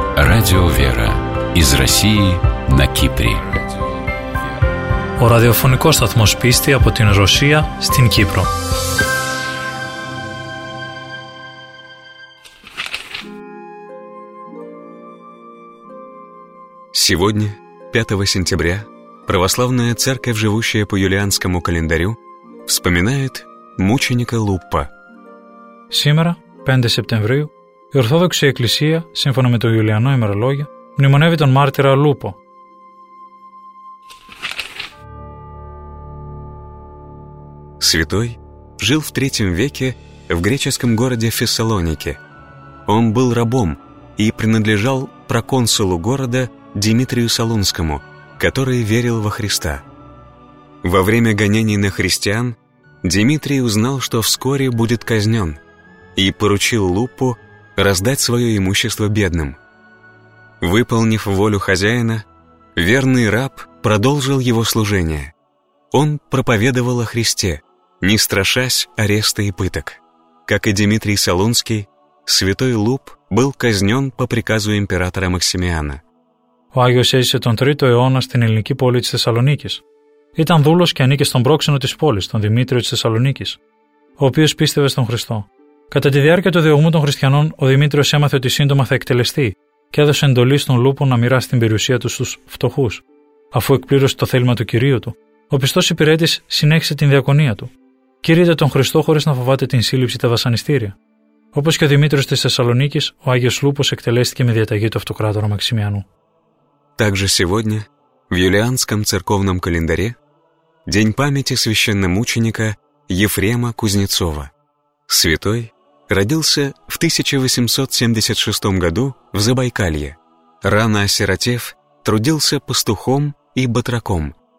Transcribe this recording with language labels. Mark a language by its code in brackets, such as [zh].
[ru] Радио «Вера» из России на Кипре. [el] Ο ραδιοφωνικός σταθμός πίστη από την Ρωσία στην Κύπρο. [ru] Сегодня, 5 сентября, православная церковь, живущая по юлианскому календарю, вспоминает мученика Луппа. Сегодня, 5 сентября, [el] η Ορθόδοξη Εκκλησία, σύμφωνα με το Ιουλιανό ημερολόγιο, μνημονεύει τον μάρτυρα Λούπο. [ru] Святой жил в III веке в греческом городе Фессалонике. Он был рабом и принадлежал проконсулу города Димитрию Солунскому, который верил во Христа. Во время гонений на христиан Димитрий узнал, что вскоре будет казнен, и поручил Луппу раздать свое имущество бедным. Выполнив волю хозяина, верный раб продолжил его служение. Он проповедовал о Христе, не страшась ареста и пыток. Как и Димитрий Солунский, святой Луп был казнен по приказу императора Максимиана. [el] Ο Άγιος έζησε τον 3ο αιώνα στην ελληνική πόλη της Θεσσαλονίκης. Ήταν δούλος και ανήκε στον πρόξενο της πόλης, τον Δημήτριο της Θεσσαλονίκης, ο οποίος πίστευε στον Χριστό. Κατά τη διάρκεια του διωγμού των χριστιανών, ο Δημήτριος έμαθε ότι σύντομα θα εκτελεστεί και έδωσε εντολή στον Λούπο να μοιράσει την περιουσία του στους φτωχούς. Αφού εκπλήρωσε το θέλημα του κυρίου του, ο πιστός υπηρέτης συνέχισε την διακονία του. Κήρυτε τον Χριστό χωρίς να φοβάται την σύλληψη τα βασανιστήρια. Όπως και ο Δημήτριος της Θεσσαλονίκης, ο Άγιος Λούπος εκτελέστηκε με διαταγή του Αυτοκράτορα Μαξιμιανού. [ru] Также сегодня в юлианском церковном календаре день памяти священномученика Ефрема Кузнецова. Святой родился в 1876 году в Забайкалье. Рано осиротев, трудился пастухом и батраком.